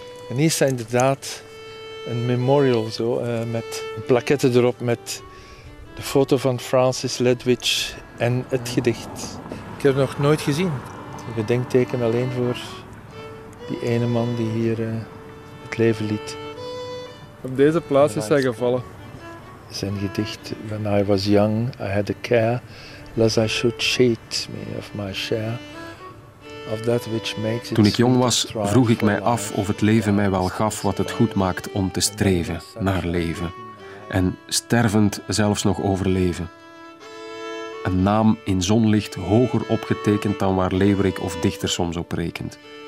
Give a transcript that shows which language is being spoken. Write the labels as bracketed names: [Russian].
[Dutch] En hier staat inderdaad een memorial zo, met een plaquette erop met de foto van Francis Lethwich en het gedicht. Ik heb het nog nooit gezien. Een gedenkteken alleen voor die ene man die hier het leven liet. Op deze plaats is hij gevallen. Zijn gedicht, [English] When I was young, I had a care, lest I should cheat me of my share, of that which makes it. [Dutch] Toen ik jong was, vroeg ik mij af of het leven mij wel gaf wat het goed maakt om te streven naar leven. En stervend zelfs nog overleven. Een naam in zonlicht hoger opgetekend dan waar leeuwerik of dichter soms op rekent.